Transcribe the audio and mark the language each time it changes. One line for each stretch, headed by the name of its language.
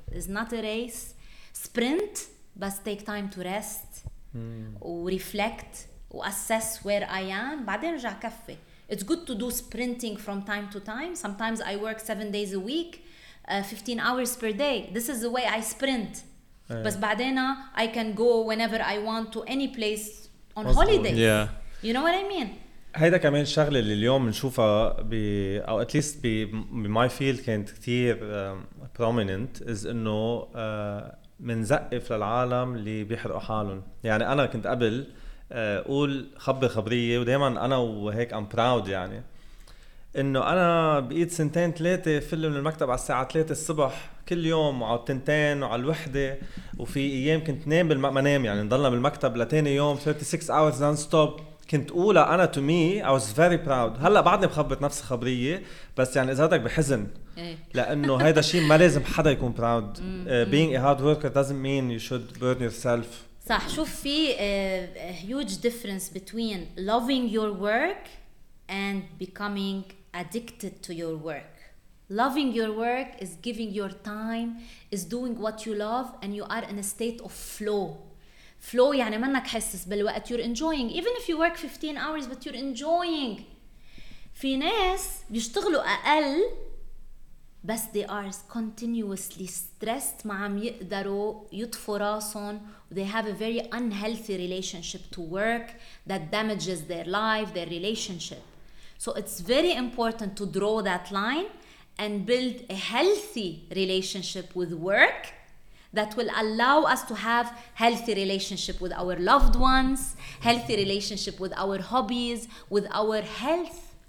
English: It's not a race. Sprint, but take time to rest, reflect, assess where I am.
Arabic: بعدين رجع كفي.
English: It's good to do sprinting from time to time. Sometimes I work 7 days a week. 15 hours per day. This is the way I sprint. But
Arabic: بعدين
English: I can go whenever I want to any place on holiday. Yeah. You know what I mean?
Arabic: هيدا كمان شغلة اللي اليوم نشوفها ب أو
English: at least
Arabic: ب
English: my field
Arabic: كانت كتير prominent is إنه منزقف للعالم اللي بيحرقوا حالهم. يعني أنا كنت قبل أقول خبر خبرية ودائما أنا وهيك
English: I'm proud
Arabic: يعني. انه انا بقيت سنتين ثلاثه فل من المكتب على الساعه 3 الصبح كل يوم وعلى التنتين وعلى الوحده وفي ايام كنت نام بالمنام يعني نضلنا بالمكتب لتاني يوم
English: 36 hours non stop
Arabic: كنت اولى انا
English: to me I was very proud
Arabic: هلا بعدني بخبط نفس خبريه بس يعني اذا بدك بحزن لانه هيدا شيء ما لازم حدا يكون proud
English: being a hard worker doesn't mean you should burn yourself
Arabic: صح شوف
English: في huge difference between loving your work and becoming addicted to your work. Loving your work is giving your time, is doing what you love, and you are in a state of flow.
Arabic: Flow يعني منك حسس بالوقت,
English: you're enjoying. Even if you work 15 hours, but you're enjoying.
Arabic: في ناس بيشتغلوا أقل, بس
English: they are continuously stressed,
Arabic: ما عم يقدروا يطفوا راسهم.
English: They have a very unhealthy relationship to work that damages their life, their relationship. So it's very important to draw that line and build a healthy relationship with work that will allow us to have healthy relationship with our loved ones, healthy relationship with our hobbies, with our health.